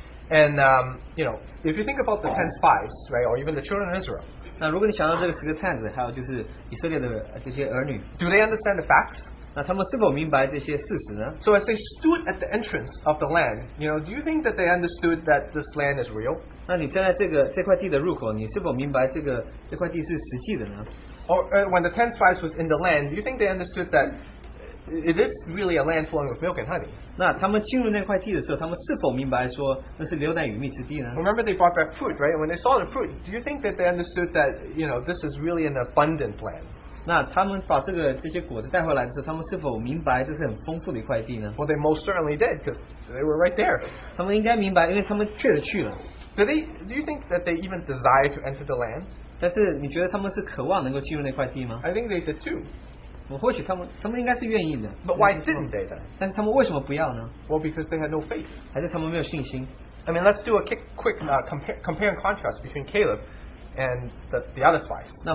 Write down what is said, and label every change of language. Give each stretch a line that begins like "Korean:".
English: And, you know, if you think about the 10 spies, right, or even the children of Israel,
Chinese: 那如果你想到这个十个探子，还有就是以色列的这些儿女,
English: do they understand the facts?
Chinese: 那他们是否明白这些事实呢?
English: So as they stood at the entrance of the land, you know, do you think that they understood that this land is real?
Chinese: 那你站在这个这块地的入口，你是否明白这个这块地是实际的呢?
English: Or when the 10 spies was in the land, do you think they understood that it is really a land flowing with milk and honey.
Chinese: 那他们进入那块地的时候，他们是否明白说那是牛奶与蜜之地呢？
English: Remember they brought back fruit, right? When they saw the fruit, do you think that they understood that, you know, this is really an abundant land?
Chinese: 那他们把这些果子带回来的时候，他们是否明白这是很丰富的一块地呢？
English: Well, they most certainly did, because they were right there.
Chinese: 他们应该明白，因为他们确实去了。
English: Do you think that they even desire to enter the land?
Chinese: 但是你觉得他们是渴望能够进入那块地吗?
English: I think they did too.
Chinese: 或许他们应该是愿意的。
English: But why didn't they then?
Chinese: 但是他们为什么不要呢?
English: Well, because they had no faith.
Chinese: 还是他们没有信心?
English: I mean, let's do a quick compare and contrast between Caleb and the other spies.